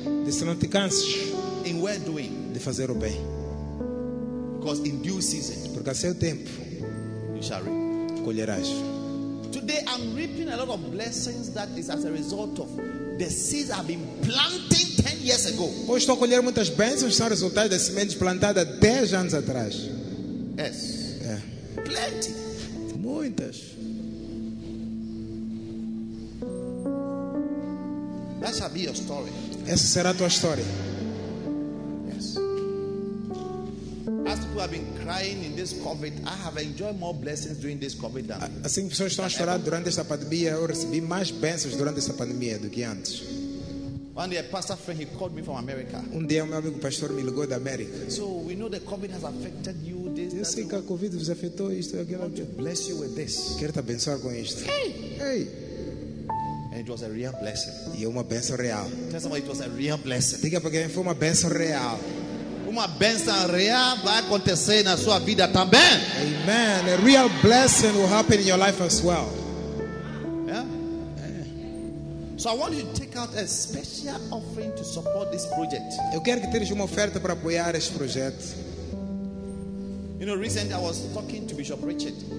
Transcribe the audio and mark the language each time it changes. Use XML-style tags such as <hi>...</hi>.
<pt>Disse, não te canses.</pt> <en>In well doing.</en> <pt>De fazer o bem.</pt> <en>Because in due season.</en> <pt>Porque a seu tempo.</pt> <en>You shall reap.</en> <pt>Colherás.</pt> <en>Today I'm reaping a lot of blessings that is as a result of the seeds I've been planting 10 years ago.</en> <pt>Hoje estou a colher muitas bênçãos, são resultados das sementes plantadas 10 anos atrás.</pt> <en>Yes.</en> <pt>É.</pt> <en>Plenty.</en> <pt>Muitas.</pt> <en>That shall be your story.</en> <pt>Essa será a tua história.</pt> <en>Yes. As people have been crying in this COVID, I have enjoyed more blessings during this COVID than.</en> <pt>Assim que pessoas estão a chorar durante esta pandemia, eu recebi mais bênçãos durante esta pandemia do que antes.</pt> <en>One day, a pastor friend, he called me from America.</en> <pt>Um dia, meu amigo pastor me ligou da América.</pt> <en>So we know the COVID has affected you. This.</en> <pt>Eu sei que a COVID vos afetou isto e aquilo.</pt> <en>I want to bless you with this.</en> <pt>Quero te abençoar com isto.</pt> <en>Hey. And it was a real blessing.</en> <pt>E uma bênção real.</pt> <en>Tell somebody it was a real blessing.</en> <pt>Diga para quem foi uma bênção real. Uma bênção real vai acontecer na sua vida também.</pt> <en>Amen. A real blessing will happen in your life as well. So I want you to take out a special offering to support this project.</en> <pt>Eu quero que tenhas uma oferta para apoiar este projeto.</pt> <en>You know, recently I was talking to Bishop Richard.</en>